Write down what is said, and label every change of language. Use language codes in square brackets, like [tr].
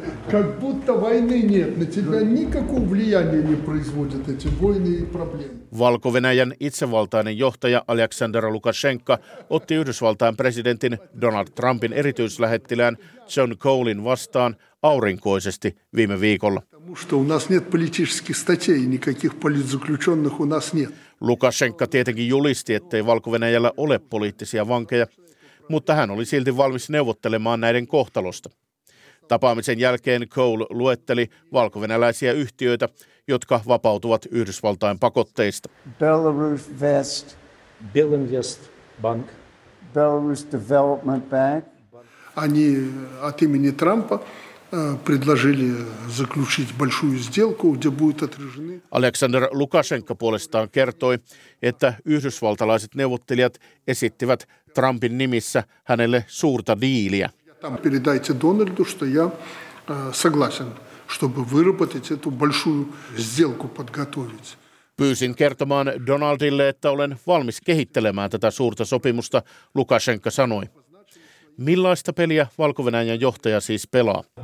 [ru] Как будто войны нет, на тебя никакого влияния не производят эти войны и проблемы. [fi] Valko-Venäjän itsevaltainen johtaja Aleksander Lukashenka otti Yhdysvaltain presidentin Donald Trumpin erityislähettilään John Colin vastaan aurinkoisesti viime viikolla. [ru] Что у нас нет политических статей, никаких политзаключённых у нас нет. [fi] Lukashenka tietenkin julisti, ettei Valko-Venäjällä ole poliittisia vankeja, mutta hän oli silti valmis neuvottelemaan näiden kohtalosta. Tapaamisen jälkeen Cole luetteli valkovenäläisiä yhtiöitä, jotka vapautuvat Yhdysvaltain pakotteista. [en] Belarus Vest, Bill Invest Bank, Belarus Development Bank. [ru] они от имени Трампа предложили заключить большую сделку, где будут отражены. [fi] Александр Лукашенко puolestaan kertoi, että yhdysvaltalaiset neuvottelijat esittivät Trumpin nimissä hänelle suurta diiliä. [ru] Там передайте Дональду, что я согласен, чтобы выработать эту большую сделку подготовить. [fi] Pyysin kertomaan Donaldille, että olen valmis kehittelemään tätä suurta sopimusta, Lukashenka sanoi. Millaista peliä Valko-Venäjän johtaja siis pelaa?